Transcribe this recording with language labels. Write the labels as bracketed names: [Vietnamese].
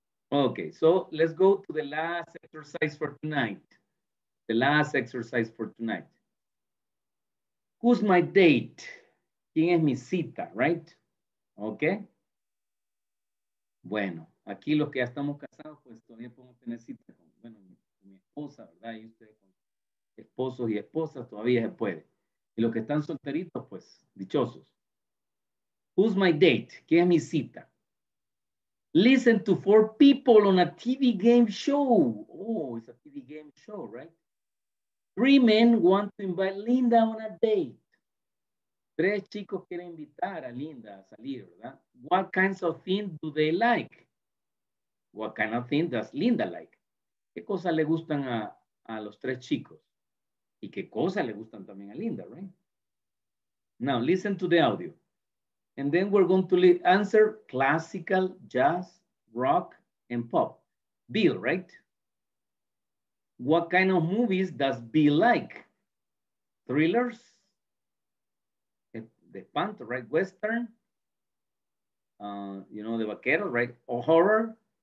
[English] Okay, so let's go to the last exercise for tonight. The last exercise for tonight. Who's my date? [Spanish] ¿Quién es mi cita? Right? ¿Ok? Bueno, aquí los que ya estamos casados, pues todavía podemos tener cita con, bueno, mi esposa, ¿verdad? Y ustedes con esposos y esposas todavía se puede. Y los que están solteritos, pues, dichosos. [English] Who's my date? [Spanish] ¿Quién es mi cita? [English] Listen to four people on a TV game show. Oh, it's a TV game show, right? Three men want to invite Linda on a date. [Spanish] Tres chicos quieren invitar a Linda a salir, ¿verdad? [English] What kinds of things do they like? What kind of things does Linda like? [Spanish] ¿Qué cosas le gustan a los tres chicos? ¿Y qué cosas le gustan también a Linda, right? [English] Now, listen to the audio. And then we're going to answer classical, jazz, rock, and pop. Bill, right? What kind of movies does Bill like? Thrillers? The Panther, right? Western? You know, the Vaquero, right? Or horror?